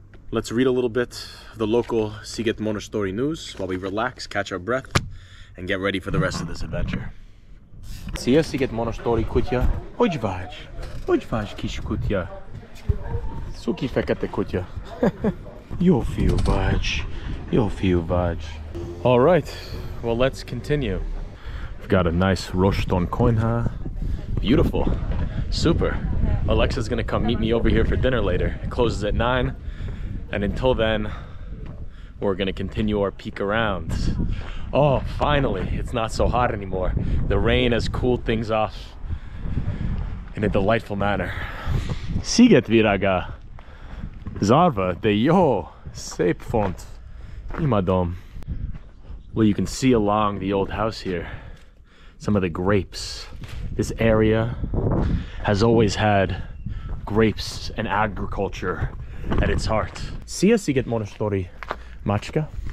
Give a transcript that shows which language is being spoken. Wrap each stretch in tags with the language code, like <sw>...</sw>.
<en>Let's read a little bit of the local Szigetmonostori news while we relax, catch our breath, and get ready for the rest of this adventure.</en> <hu>Szia, Szigetmonostori kutya. Hogy vagy? Hogy vagy, kis kutya? Szuki fekete kutya. Jó fiú vagy. Jó fiú vagy.</hu> <en>All right, well, let's continue. We've got a nice Roston konyha. Beautiful. Super. Alexa's gonna come meet me over here for dinner later. It closes at 9. And until then, we're gonna continue our peek around. Oh, finally, it's not so hot anymore. The rain has cooled things off in a delightful manner.</en> <hu>Sziget virága, zárva de jó, szép font, imádom.</hu> <en>Well, you can see along the old house here, some of the grapes. This area has always had grapes and agriculture at its heart.</en> <hu>Szia, Szigetmonostori, macska.</hu>